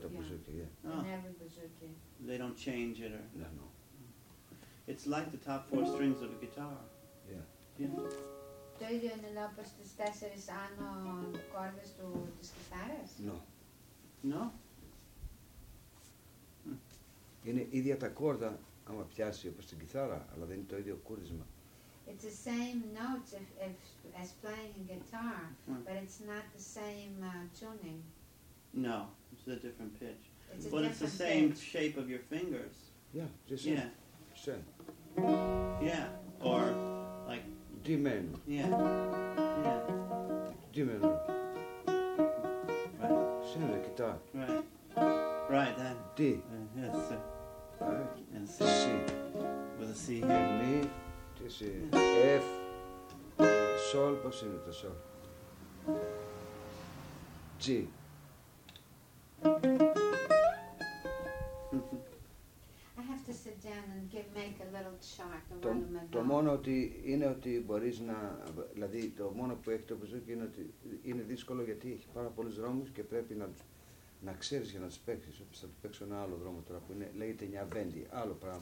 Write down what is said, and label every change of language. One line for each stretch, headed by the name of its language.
English: to mazurki, yeah. In every mazurki. They don't change it or? No. It's like the top four strings of a guitar. Yeah. Do you know the first four chords of the guitars? No. No.
Greek: Είναι ίδια τα κόρδα άμα πιάσει όπως την κιθάρα, αλλά δεν είναι το ίδιο κούρισμα.
English: It's the same notes if as playing a guitar, but it's not the same tuning. No, it's a different pitch. It's but it's the same pitch. Shape of your fingers. Yeah, just same. Yeah. Same. Yeah, or like D minor. Yeah. Yeah. D minor. Right. Right, then. D. Yes. Right. And C. C. With a C here. Mi. This is F. Sol. What's in the sol? G. I have to sit down and make a little chart.
Greek: Το μόνο ότι είναι ότι μπορείς να, δηλαδή το μόνο που έχει το μπουζούκι είναι ότι είναι δύσκολο γιατί έχει πάρα πολλούς δρόμους και πρέπει να ξέρεις για να τους παίξεις, όπως θα του παίξω ένα άλλο δρόμο τώρα που είναι, λέγεται Νιαβέντι, άλλο πράγμα.